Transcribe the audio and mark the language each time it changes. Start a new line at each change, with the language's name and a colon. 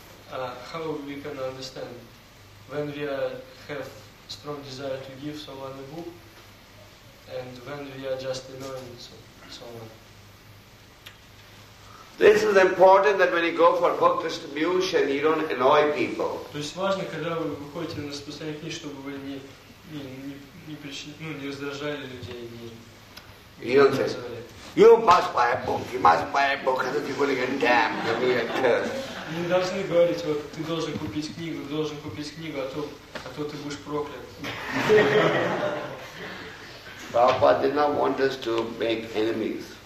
English: How we can understand when we have strong desire to give someone a book, and when we are just annoying someone? This is important that when you go for book distribution, you don't annoy people.
Russian: То есть важно, когда вы выходите на распространение книг, чтобы вы не раздражали людей, не
English: You don't say, you must buy a book, you must buy a book, and then you're going to get damned, you're going to get cursed. You don't have to say, you
Russian: должен купить книгу,
English: you должен купить книгу,
Russian: а то ты будешь проклят.
English: Prabhupada did not want us to make enemies.